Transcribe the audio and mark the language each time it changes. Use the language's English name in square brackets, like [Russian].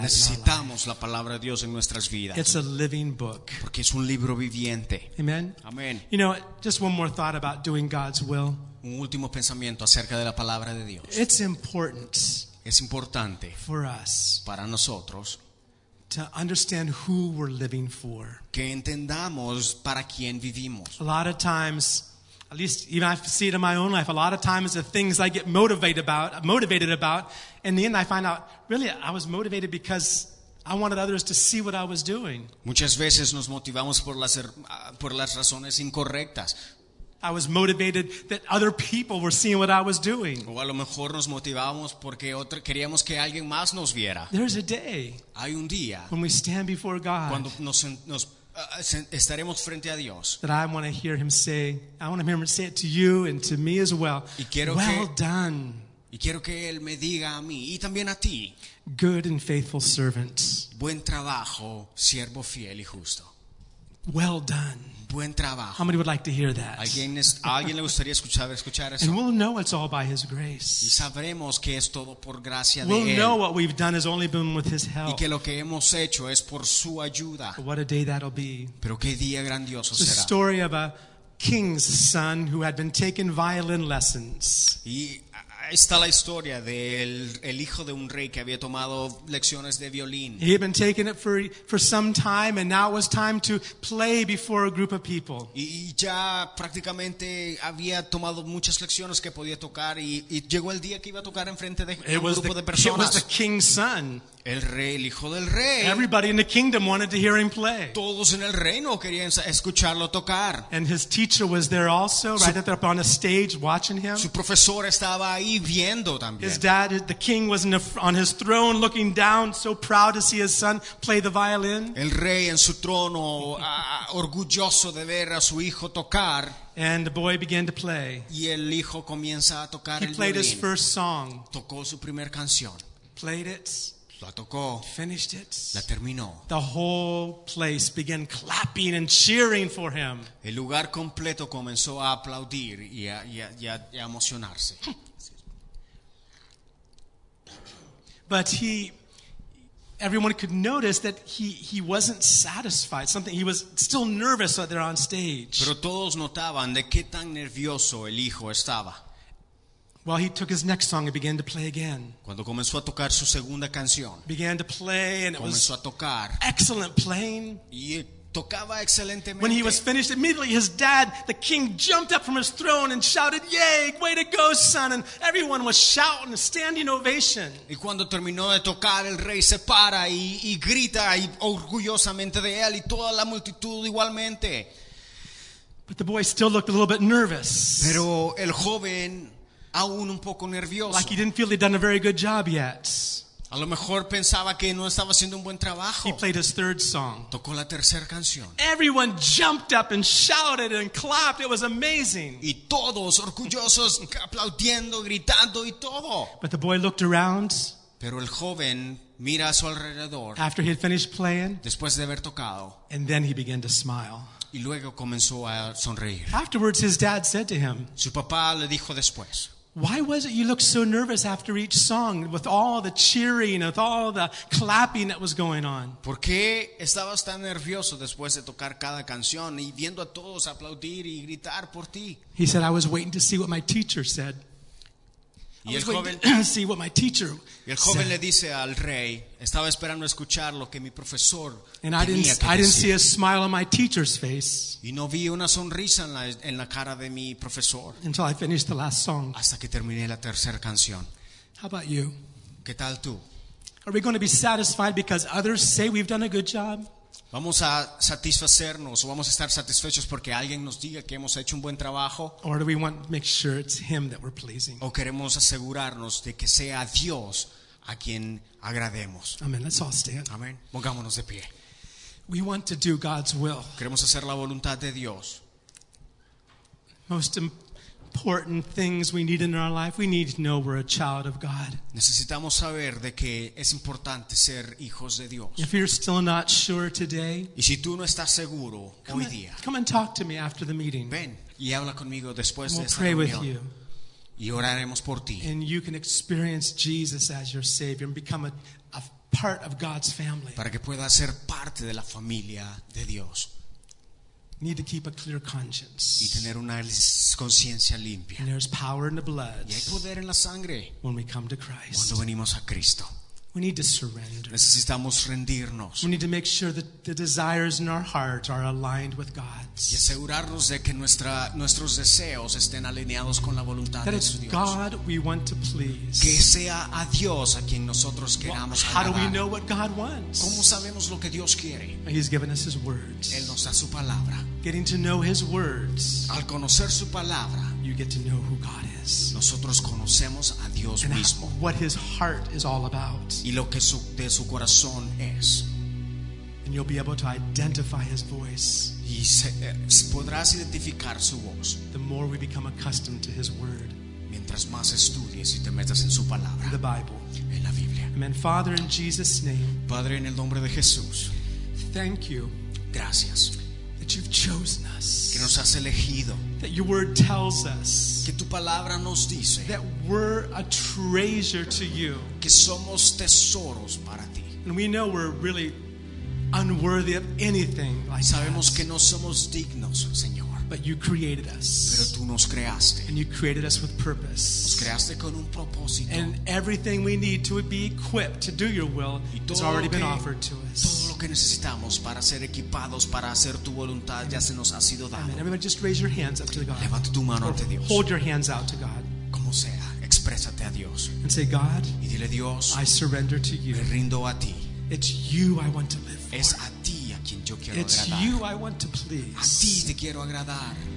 [Spanish] Necesitamos la palabra de Dios en nuestras vidas. [English] It's a living book. [Spanish] Porque es un libro viviente. [English] Amen. Amen. You know, just one more thought about doing God's will. [Spanish] Un último pensamiento acerca de la palabra de Dios. [English] It's important. [Spanish] Es importante. [English] For us. [Spanish] Para nosotros. [English] To understand who we're living for. [Spanish] Que entendamos para quién vivimos. [English] A lot of times, at least even I see it in my own life, a lot of times the things I get motivated about. In the end, I find out, really, I was motivated because I wanted others to see what I was doing. [Spanish] Muchas veces nos motivamos por las razones incorrectas. [English] I was motivated that other people were seeing what I was doing. [Spanish] O a lo mejor nos motivamos porque queríamos que alguien más nos viera. [English] There's a day. [Spanish] Hay un día. [English] When we stand before God. [Spanish] Cuando estaremos frente a Dios. [English] That I want to hear him say, I want to hear him say it to you and to me as well. [Spanish] Y quiero [English] well [Spanish] que, [English] done. [Spanish] Y quiero que él me diga a mí y también a ti. [English] Good and faithful servant. [Spanish] Buen trabajo, siervo fiel y justo. [English] Well done. [Spanish] Buen trabajo. [English] How many would like to hear that? [Spanish] ¿Alguien le gustaría escuchar eso? [English] And we'll know it's all by his grace. [Spanish] Y sabremos que es todo por gracia [English] we'll [Spanish] de él. [English] We'll know what we've done has only been with his help. [Spanish] Y que lo que hemos hecho es por su ayuda. [English] But what a day that'll be. [Spanish] Pero qué día grandioso [English] the [Spanish] será. [English] The story of a king's son who had been taking violin lessons. [Spanish] Y está la historia del el hijo de un rey que había tomado lecciones de violín. [English] He had been taking it for some time, and now it was time to play before a group of people. [Spanish] Y ya prácticamente había tomado muchas lecciones que podía tocar, y llegó el día que iba a tocar en frente de un grupo de personas. [English] It was the king's son. [Spanish] El rey, el hijo del rey. [English] Everybody in the kingdom wanted to hear him play. [Spanish] Todos en el reino querían escucharlo tocar. [English] And his teacher was there also, right up there on a stage watching him. [Spanish] Su profesor estaba ahí viendo también. [English] His dad, the king, was on his throne looking down, so proud to see his son play the violin. [Spanish] El rey en su trono, orgulloso de ver a su hijo tocar. [English] And the boy began to play. [Spanish] Y el hijo comienza a tocar el violín. [English] He played his first song. [Spanish] Tocó su primer canción. [English] Played it. [Spanish] La tocó. [English] Finished it. [Spanish] La terminó. [English] The whole place began clapping and cheering for him. [Spanish] El lugar completo comenzó a aplaudir y a emocionarse. [English] But everyone could notice that he wasn't satisfied. Something, he was still nervous out there on stage. [Spanish] Pero todos notaban de qué tan nervioso el hijo estaba. [English] Well, he took his next song and began to play again. [Spanish] Cuando comenzó a tocar su segunda canción. [English] Began to play and it [Spanish] comenzó [English] was [Spanish] a tocar. [English] Excellent playing. [Spanish] Y tocaba excelentemente. [English] When he was finished, immediately his dad, the king, jumped up from his throne and shouted, "Yay, way to go, son!" And everyone was shouting, a standing ovation. [Spanish] Y cuando terminó de tocar, el rey se para y grita y orgullosamente de él y toda la multitud igualmente. [English] But the boy still looked a little bit nervous. [Spanish] Pero el joven aún un poco nervioso. [English] Like he didn't feel he'd done a very good job yet. [Spanish] A lo mejor pensaba que no estaba haciendo un buen trabajo. [English] He played his third song. [Spanish] Tocó la tercera canción. [English] Everyone jumped up and shouted and clapped. It was amazing. [Spanish] Y todos orgullosos aplaudiendo, gritando y todo. [English] But the boy looked around. [Spanish] Pero el joven mira a su alrededor. [English] After he had finished playing. [Spanish] Después de haber tocado. [English] And then he began to smile. [Spanish] Y luego comenzó a sonreír. [English] Afterwards, his dad said to him, [Spanish] su papá le dijo después, [English] "Why was it you looked so nervous after each song, with all the cheering, with all the clapping that was going on?" [Spanish] ¿Por qué estabas tan nervioso después de tocar cada canción y viendo a todos aplaudir y gritar por ti? [English] He said, "I was waiting to see what my teacher said." [Spanish] Y el joven, [English] see what my teacher [Spanish] y el joven le dice al rey, estaba esperando escuchar lo que mi profesor tenía que decir. [English] I didn't see a smile on my teacher's face. [Spanish] Y no vi una sonrisa en la cara de mi profesor. [English] Until I finished the last song. [Spanish] Hasta que terminé la tercera canción. [English] How about you? [Spanish] ¿Qué tal tú? [English] Are we going to be satisfied because others say we've done a good job? [Spanish] ¿Vamos a satisfacernos o vamos a estar satisfechos porque alguien nos diga que hemos hecho un buen trabajo? [English] Or do we want to make sure it's him that we're pleasing? [Spanish] ¿O queremos asegurarnos de que sea Dios a quien agrademos? [English] Amen. Let's all stand. Amen. [Spanish] Pongámonos de pie. [English] We want to do God's will. [Spanish] Queremos hacer la voluntad de Dios. [English] Most important things we need in our life, we need to know we're a child of God. [Spanish] Necesitamos saber de que es importante ser hijos de Dios. [English] If you're still not sure today, [Spanish] y si tú no estás seguro hoy día, [English] come and talk to me after the meeting. [Spanish] Ven y habla conmigo después de esta reunión. [English] We'll pray with you. [Spanish] Y oraremos por ti. [English] And you can experience Jesus as your Savior and become a part of God's family. [Spanish] Para que puedas ser parte de la familia de Dios. [English] Need to keep a clear conscience. [Spanish] Y tener una conciencia limpia. [English] And there's power in the blood. [Spanish] Y hay poder en la sangre. [English] When we come to Christ. [Spanish] Cuando venimos a Cristo. [English] We need to surrender. [Spanish] Necesitamos rendirnos. [English] We need to make sure that the desires in our heart are aligned with God's. [Spanish] Y asegurarnos de que nuestros deseos estén alineados con la voluntad de Dios. [English] That it's God we want to please. [Spanish] Que sea a Dios a quien nosotros queramos agradar. [English] How do we know what God wants? [Spanish] ¿Cómo sabemos lo que Dios quiere? [English] He's given us His words. [Spanish] Él nos da su palabra. [English] Getting to know His words. [Spanish] Al conocer su palabra. [English] You get to know who God is. [Spanish] Nosotros conocemos a Dios [English] and [Spanish] mismo. [English] What His heart is all about. [Spanish] Y lo que de su corazón es. [English] And you'll be able to identify His voice. [Spanish] Y podrás identificar su voz. [English] The more we become accustomed to His word. [Spanish] Mientras más estudies y te metas en su palabra. [English] The Bible. [Spanish] En la Biblia. [English] Amen. Father, in Jesus' name. [Spanish] Padre, en el nombre de Jesús. [English] Thank you. [Spanish] Gracias. [English] That you've chosen us. [Spanish] Que nos has elegido. [English] That your word tells us. [Spanish] Que tu palabra nos dice. [English] That we're a treasure to you. [Spanish] Que somos tesoros para ti. [English] And we know we're really unworthy of anything like that. [Spanish] Sabemos que no somos dignos, Señor. [English] But you created us. [Spanish] Pero tú nos creaste. [English] And you created us with purpose. [Spanish] Nos creaste con un propósito. [English] And everything we need to be equipped to do your will has already been offered to us. [Spanish] Que necesitamos para ser equipados para hacer tu voluntad ya se nos ha sido dado. [English] Everybody just raise your hands up to God. [Spanish] Levanta tu mano ante Dios. [English] Hold your hands out to God. [Spanish] Como sea, expresa. exprésate a Dios. [English] And say, God, [Spanish] y dile, Dios, [English] I surrender to you. [Spanish] Me rindo a ti. [English] It's you I want to live for. [Spanish] Es a ti a quien yo quiero [English] it's [Spanish] agradar. [English] You I want to please. [Spanish] A ti te quiero agradar.